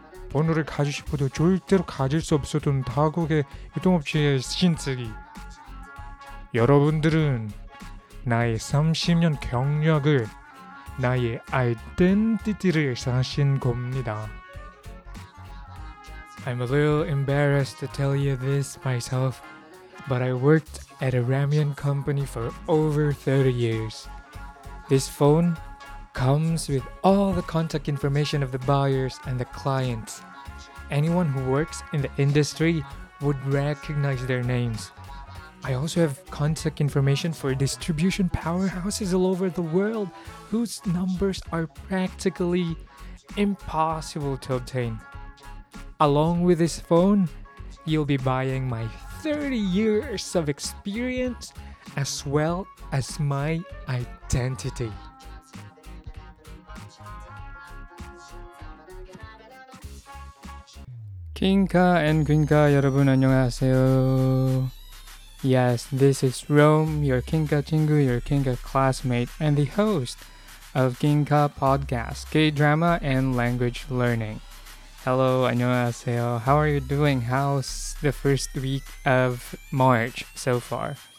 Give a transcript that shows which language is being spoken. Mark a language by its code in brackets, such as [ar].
[ko] 번호를 가지고 싶어도 절대로 가질 수 없었던 다국의 유통업체의 신세기. 여러분들은 나의 30년 경력을, 나의 아이덴티티를 사신 겁니다. [en] I'm a little embarrassed to tell you this myself, but I worked at a ramen company for over 30 years. This phone comes with all the contact information of the buyers and the clients. Anyone who works in the industry would recognize their names. I also have contact information for distribution powerhouses all over the world whose numbers are practically impossible to obtain. Along with this phone, you'll be buying my 30 years of experience as well as my identity. [ko] 퀸카 앤 퀸카 여러분 안녕하세요. [en] Yes, this is Rome, your 퀸카 친구, your 퀸카 classmate, and the host of 퀸카 podcast, K-drama and language learning. Hello, [ko] 안녕하세요. [en] How are you doing? How's the first week of March so far?